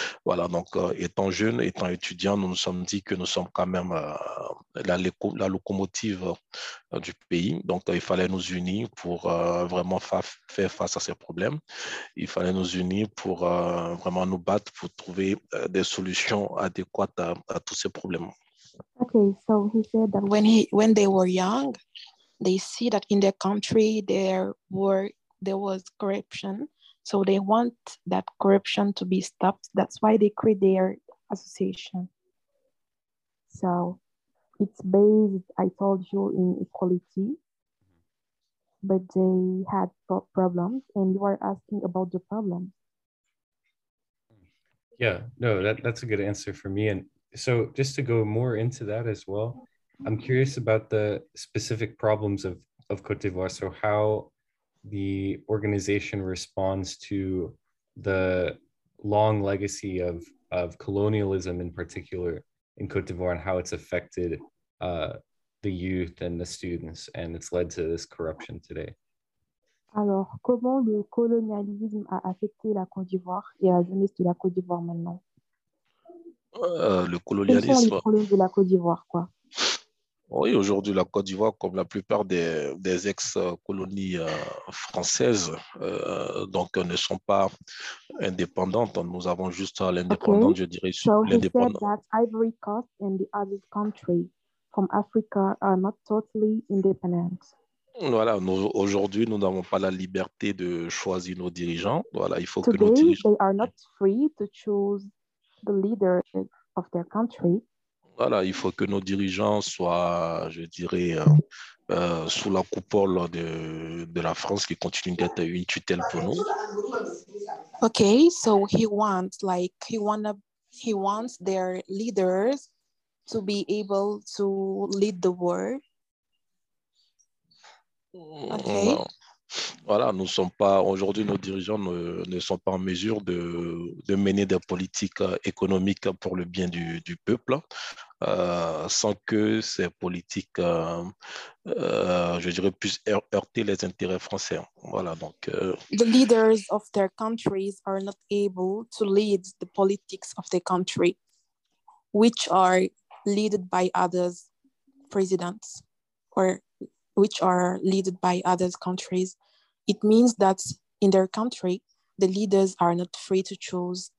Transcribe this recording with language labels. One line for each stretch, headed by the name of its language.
French: Voilà, donc étant jeune, étant étudiant, nous nous sommes dit que nous sommes quand même la locomotive du pays. Donc il fallait nous unir pour vraiment faire face à ces problèmes. Il fallait nous unir pour vraiment nous battre pour trouver des solutions adéquates à tous ces problèmes.
English: Okay, so he said that when they were young, they see that in their country there was corruption, so they want that corruption to be stopped. That's why they create their association. So it's based, I told you, in equality, but they had problems, and you are asking about the problems. Yeah, no, that's a good answer for me. And so just to go more into that as well, I'm curious about the specific problems of Côte d'Ivoire. So how the organization responds to the long legacy of colonialism in particular in Côte d'Ivoire, and how it's affected the youth and the students, and it's led to this corruption today.
French: Alors, comment le colonialisme a affecté la Côte d'Ivoire et la jeunesse de la Côte d'Ivoire maintenant? Le colonialisme. Quels sont les problèmes de la Côte d'Ivoire, quoi? Oui, aujourd'hui, la Côte d'Ivoire, comme la plupart des ex-colonies françaises, donc ne sont pas indépendantes. Nous avons juste l'indépendance,
English: okay.
French: Je dirais, so l'indépendance.
English: So he said that Ivory Coast and the other countries from Africa are not totally independent.
French: Voilà, aujourd'hui, nous n'avons pas la liberté de choisir nos dirigeants. Voilà, il faut
English: today,
French: que nos dirigeants...
English: they are not free to choose the leader of their country.
French: Voilà, il faut que nos dirigeants soient, je dirais, sous la coupole de la France, qui continue d'être une tutelle pour nous.
English: Okay, so he wants their leaders to be able to lead the world. Okay.
French: Voilà, nous sommes pas aujourd'hui, nos dirigeants ne sont pas en mesure de mener des politiques économiques pour le bien du peuple sans que ces politiques je dirais puissent heurter les intérêts français. Voilà, donc
English: the leaders of their countries are not able to lead the politics of their country, which are led by others presidents or which are led by other countries. It means that in their country, the leaders are not free to choose.